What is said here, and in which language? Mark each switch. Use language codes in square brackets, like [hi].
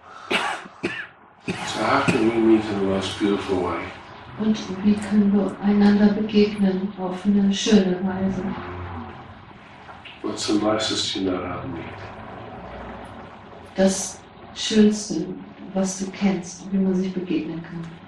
[en] So how can we meet in the most beautiful way? [de] Und wie können wir einander begegnen auf eine schöne Weise? [en] What's the nicest you know how to meet? [de] Das Schönste, was du kennst, wie man sich begegnen kann.